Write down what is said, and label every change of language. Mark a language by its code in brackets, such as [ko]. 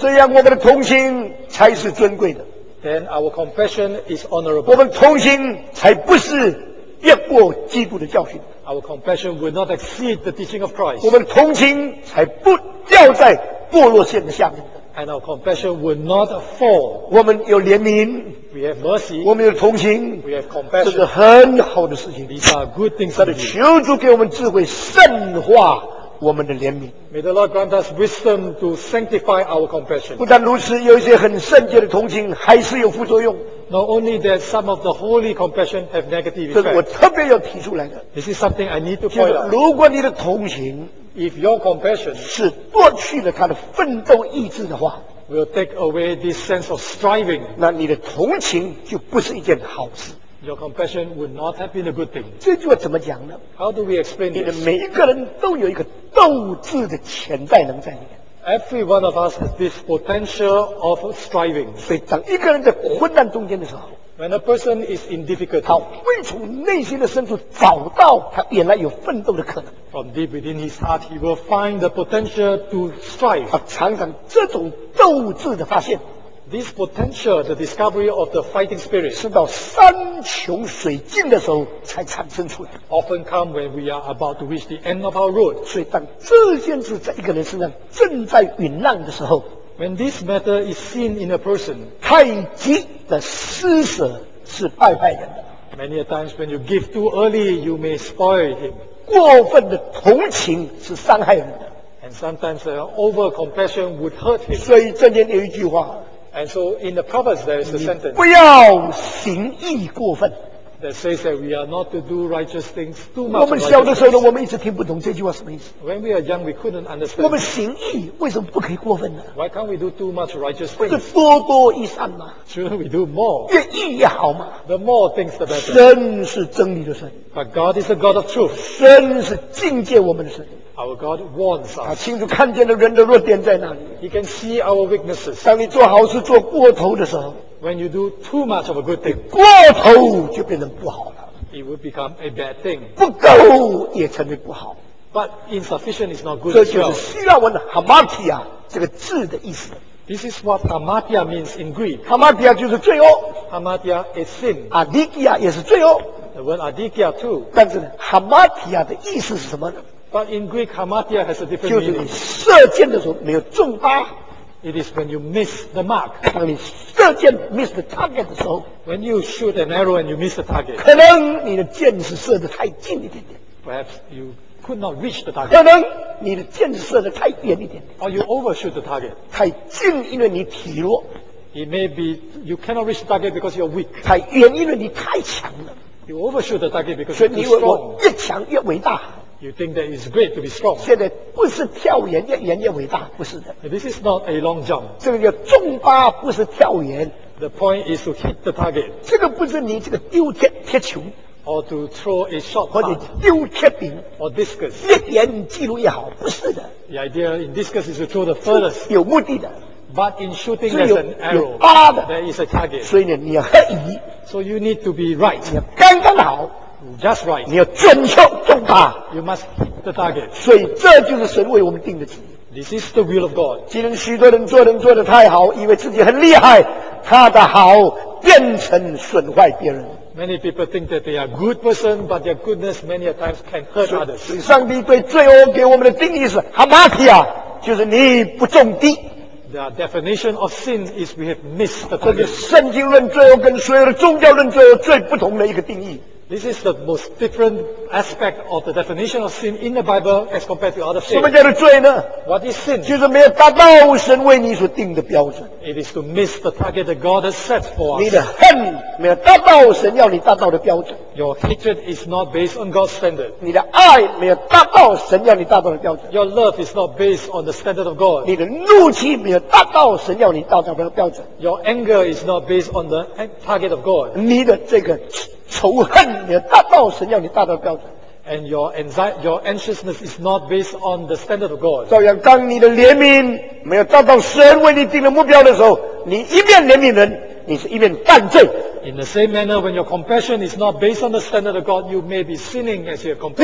[zh] 这样我们的同情才是尊贵的。 [en] Then our compassion is honorable. [zh] 我们同情才不是越过基督的教训。 [en] Our compassion will not exceed the teaching of Christ. [zh] 我们同情才不掉在堕落线的下面。 [en] And our compassion will not fall. [zh] 我们有怜悯 [en] ，We have mercy. [zh] 我们有同情 [en] ，We have compassion. [zh] 这是很好的事情。 [en] These are good things. [zh] 但是求主给我们智慧，圣化我们的怜悯。 [en] May the Lord grant us wisdom to sanctify our compassion. [zh] 不但如此，有一些很圣洁的同情还是有副作用。 [en] Not only that, some of the holy compassion have negative effects. [zh] 这是我特别要提出来的。 [en] This is something I need to point out. [zh] 如果你的同情 [en] ，If your compassion [zh] 是夺去了他的奋斗意志的话 [en] ，will take away this sense of striving. [zh] 那你的同情就不是一件好事。 [en] Your compassion would not have been a good thing. [zh] 这句话怎么讲呢 [en] ？How do we explain this? [zh] 你的每一个人都有一个斗志的潜在能在里面。 [en] Every one of us has this potential of striving. [zh] 所以当一个人在困难中间的时候， [en] When a person is in difficulty, [zh] 他会从内心的深处找到他原来有奋斗的可能。 [en] From deep within his heart, he will find the potential to strive. [zh] 他常常这种斗志的发现， [en] This potential, the discovery of the fighting spirit, [zh] 是到山穷水尽的时候才产生出来。 [en] Often come when we are about to reach the end of our road. [zh] 所以当这件事在一个人身上正在酝酿的时候， [en] When this matter is seen in a person, [zh] 太急的施舍是败坏人的。 [en] Many a times when you give too early, you may spoil him. [zh] 过分的同情是伤害人的。 [en] And sometimes over compassion would hurt him. [zh] 所以正言有一句话。 [en] And so in the Proverbs there is a sentence. [zh] 不要行义过分。 [en] That says that we are not to do righteous things too much. [zh] 我们小的时候呢，我们一直听不懂这句话什么意思。 [en] When we are young, we couldn't understand. [zh] 我们行义为什么不可以过分呢？ [en] Why can't we do too much righteous things? [zh] 不是多多益善吗？ [en] Shouldn't we do more? [zh] 越义越好吗？ [en] The more things, the better. [zh] 神是真理的神。 [en] But God is the God of truth. [zh] 神是警戒我们的神。 [en] Our God warns us. [zh] 他清楚看见了人的弱点在哪里。 [en] He can see our weaknesses. [zh] 当你做好事做过头的时候。 [en] When you do too much of a good thing, [zh] 过头就变成不好了。 [en] It will become a bad thing. [zh] 不够也成为不好。 [en] But insufficient is not good. [zh] 这就是希腊文 hamartia 这个字的意思。 [en] This is what hamartia means in Greek. [zh] Hamartia 就是罪恶。 [en] Hamartia is sin. [zh] Adikia 也是罪恶。 [en] The word adikia too. [zh] 但是 hamartia 的意思是什么呢？ [en] But in Greek hamartia has a different meaning. [zh] 就是你射箭的时候没有中靶。 [en] It is when you miss the mark. [zh] 当你射箭 [en] miss the target [zh] 的时候， [en] When you shoot an arrow and you miss the target, [zh] 可能你的箭是射得太近一点点。 [en] Perhaps you could not reach the target. [zh] 可能你的箭是射得太远一点点。 [en] Or you overshoot the target. [zh] 太近因为你体弱。 [en] It may be you cannot reach the target because you're weak. [zh] 太远因为你太强了。 [en] You overshoot the target because you're too strong. [zh] 所以你越强越伟大。 [en] You think that it's great to be strong. [zh] 现在不是跳远越远越伟大，不是的。 [en] This is not a long jump. [zh] 这个叫中靶，不是跳远。 [en] The point is to hit the target. [zh] 这个不是你这个丢贴球 [en] ，or to throw a shot, [zh] 或者丢贴饼 [en] ，or discus. [zh] 越远记录越好，不是的。 [en] The idea in discus is to throw the furthest. [zh] 有目的的。 [en] But in shooting there's an arrow, there is a target. [zh] 所以呢，你要合宜。 [en] So you need to be right. [zh] 你要刚刚好。 [en] Just right. [zh] 你要准确中靶。 [en] You must hit the target. [zh] 所以这就是神为我们定的旨意。 [en] This is the will of God. [zh] 今天许多人做人做得太好，以为自己很厉害，他的好变成损坏别人。 [en] Many people think that they are good person, but their goodness many a times can hurt others. [zh] 所以上帝对罪恶给我们的定义是 hamartia， 就是你不中的。 [en] The definition of sin is we have missed the target. [zh] 这是圣经论罪恶跟所有的宗教论罪恶最不同的一个定义。 [en] This is the most different aspect of the definition of sin in the Bible as compared to other sins. [zh] 什么叫做罪呢？ [en] What is sin? [zh] 就是没有达到神为你所定的标准。 [en] It is to miss the target that God has set for us. [zh] 你的恨没有达到神要你达到的标准。 [en] Your hatred is not based on God's standard. [zh] 你的爱没有达到神要你达到的标准。 [en] Your love is not based on the standard of God. [zh] 你的怒气没有达到神要你达到的标准。 [en] Your anger is not based on the target of God. [zh] 你的这个仇恨没有达到神要你达到的标准。 [en] And your anxiety, your anxiousness is not based on the standard of God. [zh] 照样，当你的怜悯没有达到神为你定的目标的时候，你一面怜悯人，你是一面犯罪。 [en] In the same manner, when your compassion is not based on the standard of God, you may be sinning as you have compassion.